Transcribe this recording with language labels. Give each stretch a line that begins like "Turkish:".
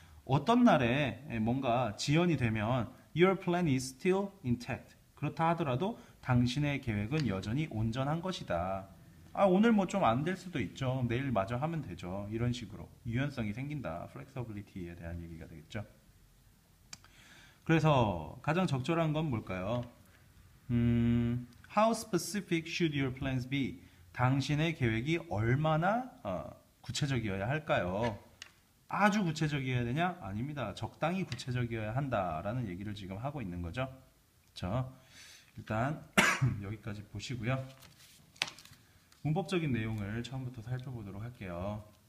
Korean: 어떤 날에 뭔가 지연이 되면
English: your plan is still intact.
Korean: 그렇다 하더라도 당신의 계획은 여전히 온전한 것이다. 아, 오늘 뭐좀안될 수도 있죠. 내일 마저 하면 되죠. 이런 식으로 유연성이 생긴다. 플렉서빌리티에 대한 얘기가 되겠죠. 그래서 가장 적절한 건 뭘까요?
English: How specific should your plans be?
Korean: 당신의 계획이 얼마나 구체적이어야 할까요? 아주 구체적이어야 되냐? 아닙니다. 적당히 구체적이어야 한다라는 얘기를 지금 하고 있는 거죠. 자, 일단 여기까지 보시고요. 문법적인 내용을 처음부터 살펴보도록 할게요.